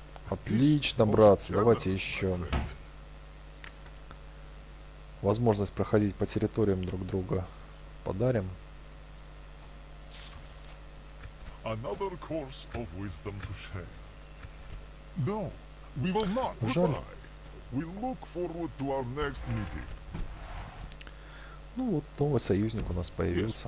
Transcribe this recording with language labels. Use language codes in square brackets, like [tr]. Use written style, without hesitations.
[ru] Отлично, братцы. Давайте еще. Возможность проходить по территориям друг друга подарим. [en] Another course of wisdom to share. No, we will not. Goodbye. We look forward to our next meeting. [ru] Ну вот новый союзник у нас появился.